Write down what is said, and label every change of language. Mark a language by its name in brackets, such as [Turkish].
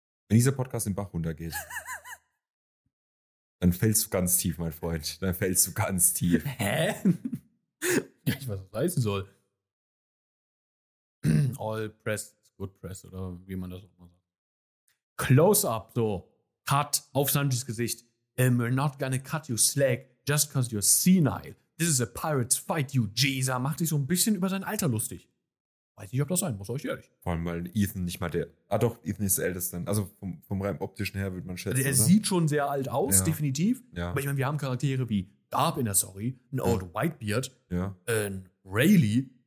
[German] Wenn dieser Podcast den Bach runtergeht, dann fällst du ganz tief, mein Freund. Dann fällst du ganz tief. Hä? Ich weiß nicht, was das heißen soll. [English] All press is good press, [German] oder wie man das auch mal sagt. Close-up, so. Cut auf Sanjis Gesicht. [English] We're not gonna cut you slack just cause you're senile. This is a pirate's fight, you Jeezer. [German] Macht dich so ein bisschen über sein Alter lustig. Weiß nicht, ob das sein muss, euch ehrlich. Vor allem, weil Ethan nicht mal der... Ah doch, Ethan ist der Älteste. Also vom rein optischen her würde man schätzen. Der sieht schon sehr alt aus, ja. Definitiv. Ja. Aber ich meine, wir haben Charaktere wie Garb in der Story, ein Old Whitebeard, ein Rayleigh.